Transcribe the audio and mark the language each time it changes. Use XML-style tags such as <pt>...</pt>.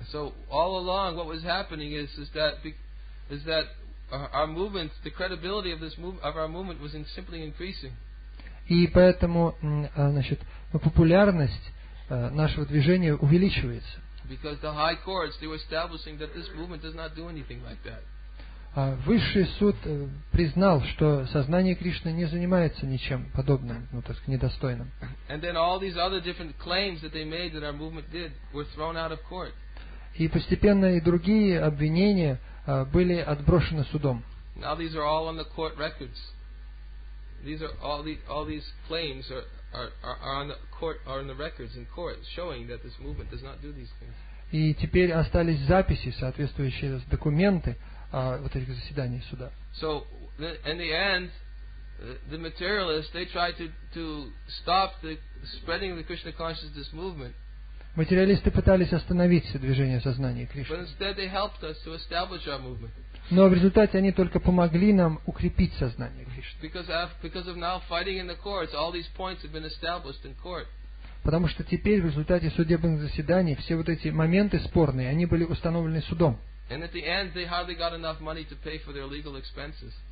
<en>So all along what was happening is that our movement, the credibility of this move, of our movement was simply increasing.</en> <ru>И поэтому, значит, популярность нашего движения увеличивается.</ru> <en>Because the high courts, they were establishing that this movement does not do anything like that.</en> <ru>Высший суд признал, что сознание Кришны не занимается ничем подобным, ну, так сказать, недостойным.</ru> <en>And then all these other different claims that they made that our movement did were thrown out of court.</en> <ru>И постепенно и другие обвинения были отброшены судом.</ru> <en>Now these are all on the court records. These are all these claims are on the court, are in the records in court, showing that this movement does not do these things.</en> <ru>И теперь остались записи, соответствующие документы вот этих заседаний суда.</ru> <en>So in the end, the materialists, they tried to stop the spreading the Krishna consciousness movement.</en> <ru>Материалисты пытались остановить движение сознания Кришны.</ru> <en>But instead they helped us to establish our movement.</en> <ru>Но в результате они только помогли нам укрепить сознание Кришны.</ru> <en>Because of now fighting in the courts, all these points have been established in court.</en> <ru>Потому что теперь в результате судебных заседаний все вот эти моменты спорные, они были установлены судом.</ru> <en>And at the end, they hardly got enough money to pay for their legal expenses.</en>